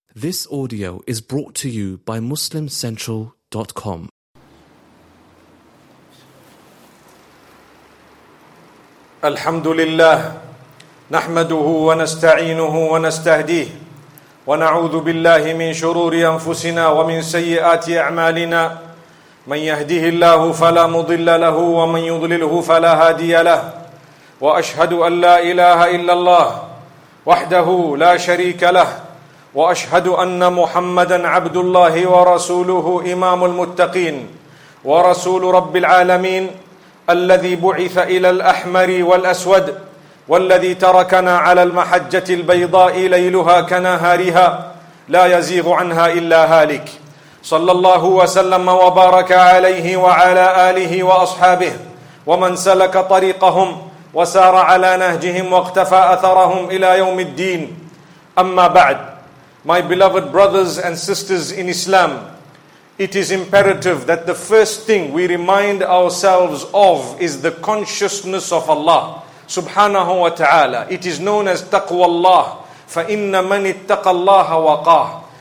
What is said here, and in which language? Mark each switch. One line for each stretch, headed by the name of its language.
English: This audio is brought to you by MuslimCentral.com.
Arabic: الحمد لله نحمده ونستعينه ونستهديه ونعوذ بالله من شرور أنفسنا ومن سيئات أعمالنا من يهده الله فلا مضل له ومن يضلله فلا هادي له وأشهد أن لا إله إلا الله وحده لا شريك له وأشهد أن محمدًا عبد الله ورسوله إمام المتقين ورسول رب العالمين الذي بعث إلى الأحمر والأسود والذي تركنا على المحجة البيضاء ليلها كنهارها لا يزيغ عنها إلا هالك صلى الله وسلم وبارك عليه وعلى آله وأصحابه ومن سلك طريقهم وسار على نهجهم واقتفى أثرهم إلى يوم الدين أما بعد.
English: My beloved brothers and sisters in Islam, it is imperative that the first thing we remind ourselves of is the consciousness of Allah subhanahu wa ta'ala. It is known as taqwa Allah.
Arabic: فَإِنَّ مَنِ اتَّقَ اللَّهَ وَقَاهُ.